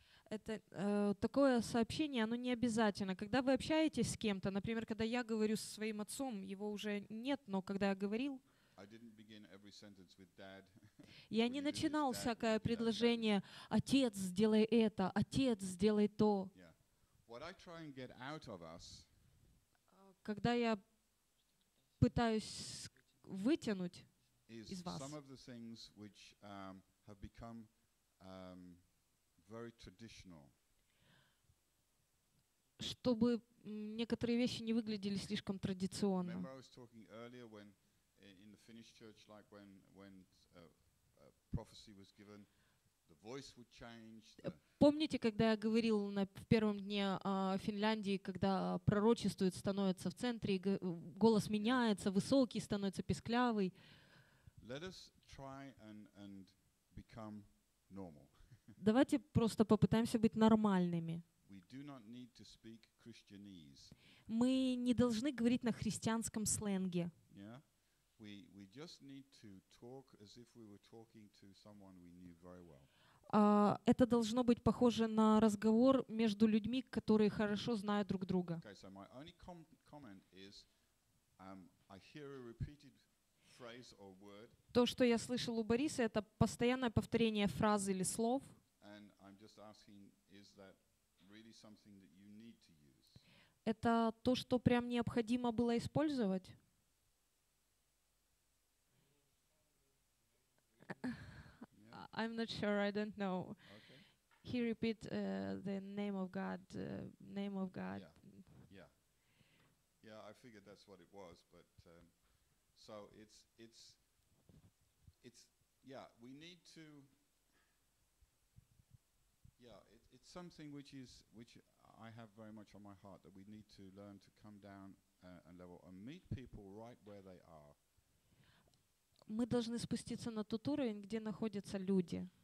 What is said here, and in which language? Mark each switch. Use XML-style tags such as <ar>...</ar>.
<ru>Это такое сообщение, оно не обязательно. Когда вы общаетесь с кем-то, например, когда я говорю со своим отцом, его уже нет, но когда я говорил,</ru> <en>I didn't begin every sentence with dad.</en> <ru>Я не начинал всякое предложение: «Отец, сделай это», «Отец, сделай то».</ru> <en>What I try and get out of us,</en> <ru>когда я пытаюсь вытянуть из вас,</ru> <en>some of the things which have become very traditional,</en> <ru>чтобы некоторые вещи не выглядели слишком традиционно.</ru> <en>Remember, I was talking earlier when in the Finnish church, like when prophecy was given, the voice would change.</en> <ru>Помните, когда я говорил в первом дне Финляндии, когда пророчествует, становится в центре, голос меняется, высокий становится, писклявый.</ru> <en>Let us try and become normal.</en> <ru>Давайте просто попытаемся быть нормальными.</ru> <en>We do not need to speak Christianese.</en> <ru>Мы не должны говорить на христианском сленге.</ru> <en>Yeah? We just need to talk as if we were talking to someone we knew very well.</en> <ru>Это должно быть похоже на разговор между людьми, которые хорошо знают друг друга.</ru> <en>Okay, so my only comment is, I hear a repeated phrase or word.</en> <ru>То, что я слышал у Бориса, это постоянное повторение фразы или слов.</ru> <en>And I'm just asking, is that really something that you need to use?</en> <ru>Это то, что прям необходимо было использовать?</ru> <en>Yeah. I'm not sure, I don't know. Okay. He repeat the name of God, name of God. Yeah. Yeah, I figured that's what it was, but so it's yeah, we need to yeah, it's something which I have very much on my heart, that we need to learn to come down and level and meet people right where they are.</en> <ru>Мы должны спуститься на тот уровень, где находятся люди.</ru>